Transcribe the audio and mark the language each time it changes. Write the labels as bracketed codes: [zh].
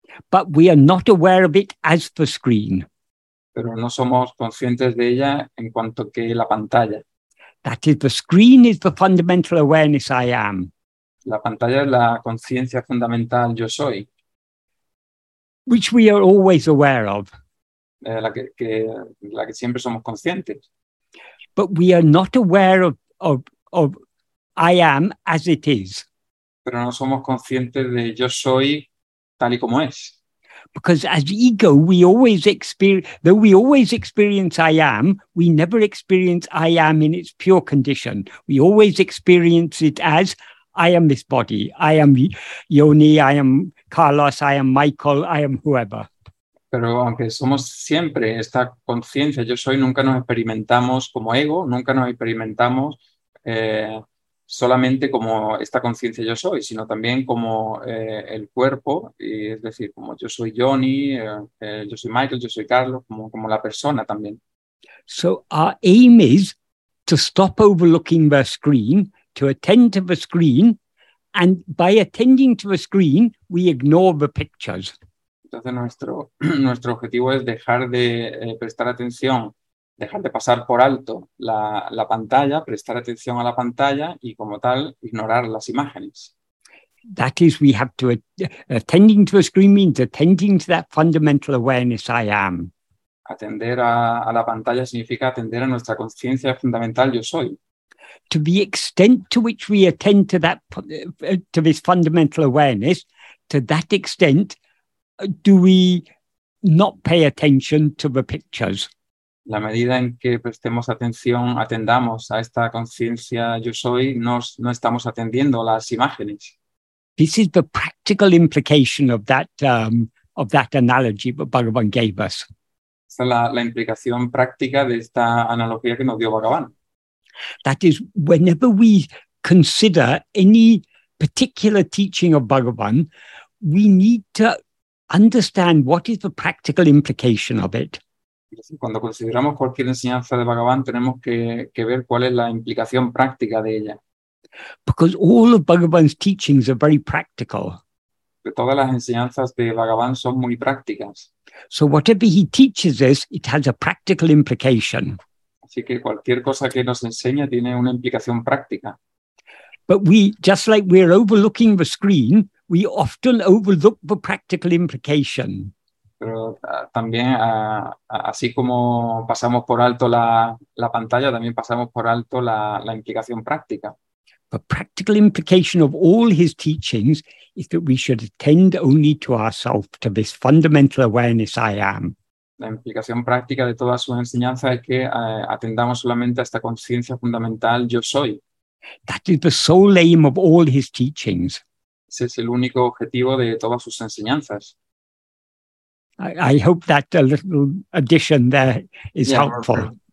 [en] But we are not aware of it as the screen. [es] Pero no somos conscientes de ella en cuanto que la pantalla. [en] That is, the screen is the fundamental awareness I am. [es] La pantalla es la conciencia fundamental yo soy. [en] Which we are always aware of. [es] La que siempre somos conscientes. [en] But we are not aware of I am as it is. [es] Pero no somos conscientes de yo soy tal y como es. [en] Because as ego, we always experience, though we always experience I am, we never experience I am in its pure condition. We always experience it as I am this body, I am Yoni, I am Carlos, I am Michael, I am whoever. [es] Pero aunque somos siempre esta conciencia, yo soy, nunca nos experimentamos como ego, nunca nos experimentamos solamente como esta conciencia yo soy, sino también como el cuerpo, y es decir, como yo soy Johnny, yo soy Michael, yo soy Carlos, como la persona también. [en] So our aim is to stop overlooking the screen, to attend to the screen, and by attending to the screen, we ignore the pictures. [es] Entonces nuestro objetivo es dejar de prestar atención, dejar de pasar por alto la pantalla, prestar atención a la pantalla y como tal ignorar las imágenes. [en] That is, we have to attending to a screen means attending to that fundamental awareness I am. [es] Atender a la pantalla significa atender a nuestra conciencia fundamental yo soy. [en] To the extent to which we attend to that to this fundamental awareness, to that extent do we not pay attention to the pictures? [es] La medida en que prestemos atención, atendamos a esta conciencia yo soy, no estamos atendiendo a las imágenes. [en] This is the practical implication of that analogy that Bhagavan gave us. [es] Esta es la implicación práctica de esta analogía que nos dio Bhagavan. [en] That is, whenever we consider any particular teaching of Bhagavan, we need to understand what is the practical implication of it. [es] Cuando consideramos cualquier enseñanza de Bhagavan, tenemos que ver cuál es la implicación práctica de ella. [en] Because all of Bhagavan's teachings are very practical. [es] Todas las enseñanzas de Bhagavan son muy prácticas. [en] So whatever he teaches us, it has a practical implication. [es] Así que cualquier cosa que nos enseña tiene una implicación práctica. [en] But we, just like we're overlooking the screen, we often overlook the practical implication. [es] Pero también, así como pasamos por alto la pantalla, también pasamos por alto la implicación práctica. [en] The practical implication of all his teachings is that we should attend only to ourselves, to this fundamental awareness I am. [es] La implicación práctica de toda su enseñanza es que atendamos solamente a esta conciencia fundamental yo soy. [en] That is the sole aim of all his teachings. [es] Ese es el único objetivo de todas sus enseñanzas. [en] I hope that a little addition there is helpful.